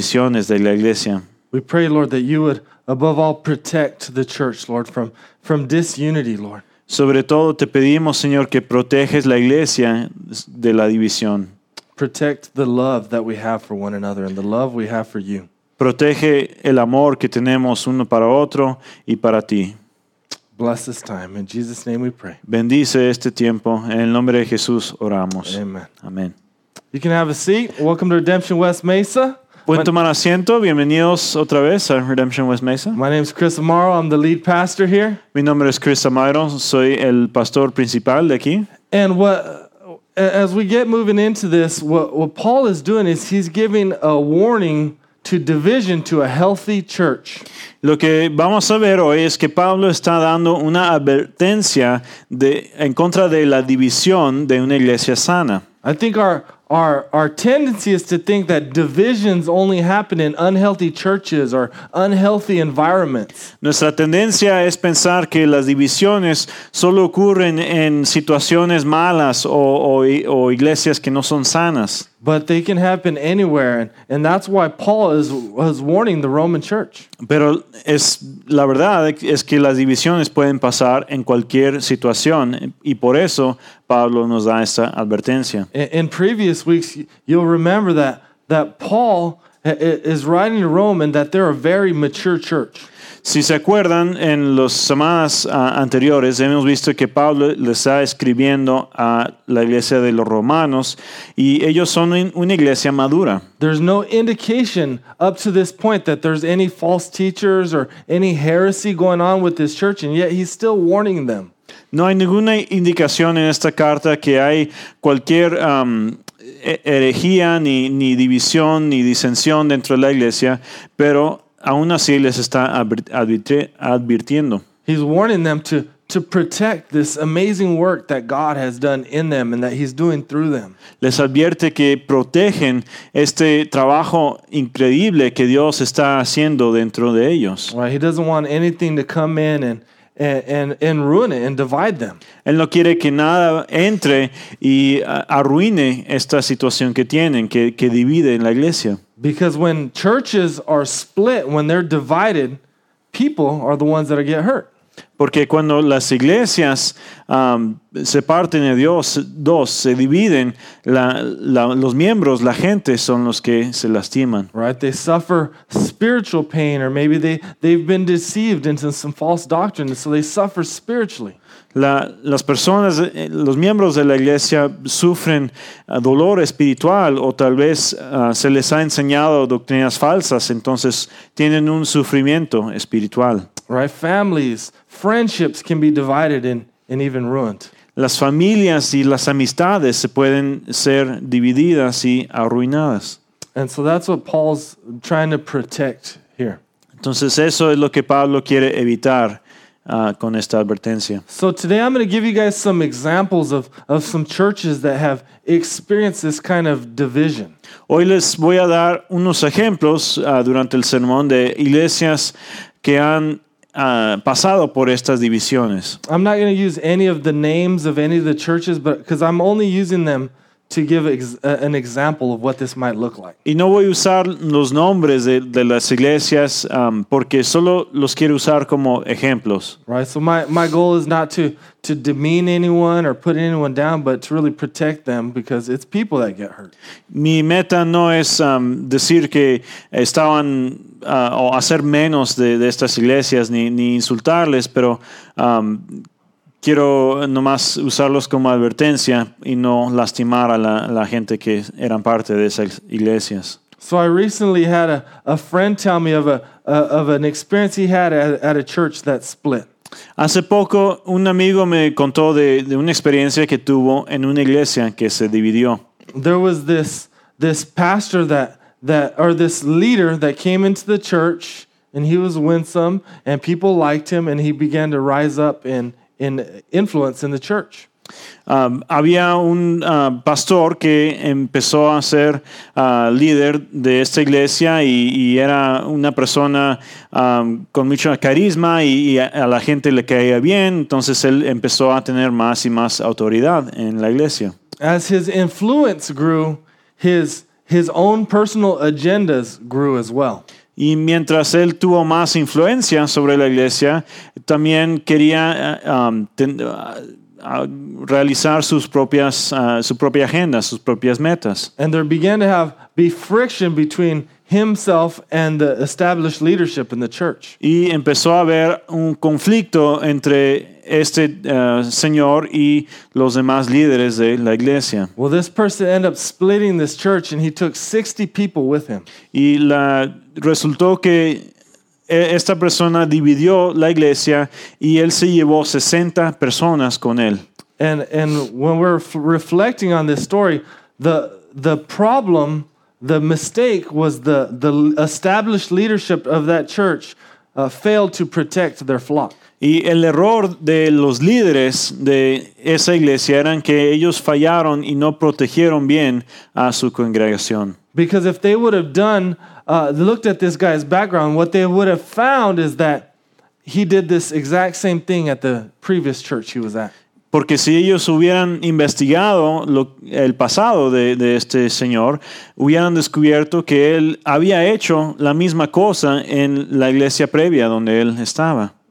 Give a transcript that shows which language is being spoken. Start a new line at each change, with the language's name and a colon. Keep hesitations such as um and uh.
English: we pray, Lord, that you would above all protect the church, Lord, from from disunity, Lord.
Spanish: Sobre todo te pedimos, Señor, que proteges la iglesia de la división.
English: Protect the love that we have for one another and the love we have for you.
Spanish: Protege el amor que tenemos uno para otro y para ti.
English: Bless this time. In Jesus name we pray.
Spanish: Bendice este tiempo. En el nombre de Jesús oramos. Amen. Amen.
English: You can have a seat. Welcome to Redemption West Mesa.
Spanish: Pueden tomar asiento. Bienvenidos otra vez a Redemption West Mesa.
English: My name is Chris Amaro. I'm the lead pastor here.
Spanish: Mi nombre es Chris Amaro. Soy el pastor principal de aquí. And
English: what, as we get moving into this, what, what Paul is doing is he's giving a warning to division to a healthy church.
Spanish: Lo que vamos a ver hoy es que Pablo está dando una advertencia de, en contra de la división de una iglesia sana.
English: I think our our our tendency is to think that divisions only happen in unhealthy churches or unhealthy environments.
Spanish: Nuestra tendencia es pensar que las divisiones solo ocurren en situaciones malas o o, o iglesias que no son sanas.
English: But they can happen anywhere, and, and that's why Paul is, is warning the Roman church.
Spanish: Pero es la verdad es que las divisiones pueden pasar en cualquier situación, y por eso Pablo nos da esta advertencia.
English: In, in previous weeks, you'll remember that that Paul is writing to Rome, and that they're a very mature church.
Spanish: Si se acuerdan, en las semanas uh, anteriores hemos visto que Pablo le está escribiendo a la iglesia de los romanos y ellos son una iglesia madura. no hay ninguna indicación en esta carta que hay cualquier um, herejía, ni, ni división, ni disensión dentro de la iglesia, pero aún así les está advirtiendo. Les advierte que protegen este trabajo increíble que Dios está haciendo dentro de ellos. Él no quiere que nada entre y arruine esta situación que tienen, que, que divide en la iglesia.
English: Because when churches are split, when they're divided, people are the ones that get hurt.
Spanish: Porque cuando las iglesias um, se parten de Dios, dos se dividen, la, la, los miembros, la gente, son los que se lastiman.
English: Right, they suffer spiritual pain, or maybe they they've been deceived into some false doctrine, so they suffer spiritually.
Spanish: La, las personas, los miembros de la iglesia sufren dolor espiritual o tal vez uh, se les ha enseñado doctrinas falsas, entonces tienen un sufrimiento espiritual. Las familias y las amistades se pueden ser divididas y arruinadas.
English: And so that's what Paul's to here.
Spanish: Entonces eso es lo que Pablo quiere evitar.
English: Uh, so today I'm going to give you guys some examples of, of some churches that have experienced this kind of division.
Spanish: Hoy les voy a dar unos ejemplos uh, durante el sermón de iglesias que han uh, pasado por estas divisiones.
English: I'm not going to use any of the names of any of the churches, but because I'm only using them to give ex- uh, an example of what this might look like.
Spanish: Y no voy a usar los nombres de, de las iglesias um, porque solo los quiero usar como ejemplos.
English: Right, so my, my goal is not to, to demean anyone or put anyone down, but to really protect them because it's people that get hurt.
Spanish: My meta no es um, decir que estaban uh, o hacer menos de, de estas iglesias ni, ni insultarles, pero um, quiero nomás usarlos como advertencia y no lastimar a la, a la gente que eran parte de esas iglesias.
English: So I recently had a, a friend tell me of, a, of an experience he had at, at, a church that split.
Spanish: Hace poco un amigo me contó de, de una experiencia que tuvo en una iglesia que se dividió.
English: There was this, this pastor that, that, or this leader that came into the church and he was winsome and people liked him and he began to rise up and, In influence in the church.
Spanish: Um, había un uh, pastor que empezó a ser uh, líder de esta iglesia y, y era una persona um, con mucho carisma y, y a, a la gente le caía bien, entonces él empezó a tener más y más autoridad en la iglesia.
English: As his influence grew, his, his own personal agendas grew as well.
Spanish: Y mientras él tuvo más influencia sobre la iglesia, también quería uh, um, ten, uh, uh, realizar sus propias su propia agenda, sus propias metas.
English: And there began to have be friction between himself and the established leadership in the church.
Spanish: Y empezó a haber un conflicto entre este señor y los demás líderes de la iglesia.
English: Well, this person ended up splitting this church and he took 60 people with him.
Spanish: Y la resultó que esta persona dividió la iglesia y él se llevó 60 personas con él.
English: And, and when we're f- reflecting on this story, the, the problem, the mistake was the, the established leadership of that church uh, failed to protect their flock.
Spanish: Y el error de los líderes de esa iglesia eran que ellos fallaron y no protegieron bien a su congregación.
English: Because if they would have done Uh, looked at this guy's background, what they would have found is that he did this exact same thing at the previous church he was at.
Spanish: Porque si ellos hubieran investigado lo, el pasado de, de este señor, hubieran descubierto que él había hecho la misma cosa en la iglesia previa donde él estaba.